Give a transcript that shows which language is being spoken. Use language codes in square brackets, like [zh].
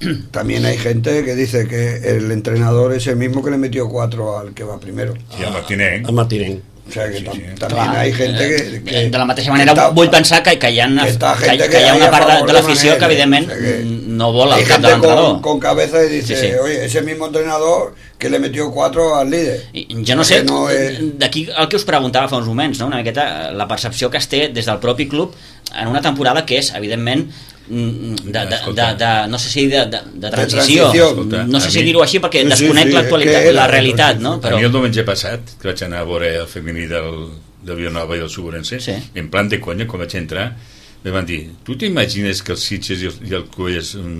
[es] También hay gente que dice que el entrenador es el mismo que le metió 4 al que va primero. Sí, a Martinenc. A Martinenc. O sea, que también hay gente que... [ca] De la mateixa manera, vull pensar que hi ha una part de l'afició que, evidentment... no vola el cap de l'entrenador. [es] Hay gente con cabeza y dice, sí, sí. Oye, ese mismo entrenador que le metió 4 al líder. [ca] Jo no sé, no es... d'aquí el que us preguntava fa uns moments, no? Una miqueta, la percepció que es té des del propi club en una temporada que és, evidentment, no sé si de transició. Escolta, no sé si dir-ho així perquè desconec l'actualitat, la realitat. No? Però... A mi el diumenge passat, que vaig anar a veure el femení del Villanova i el Suburense, en plan de conya, quan vaig entrar, me van dir, tu t'imagines que els Sitges i el Cubelles...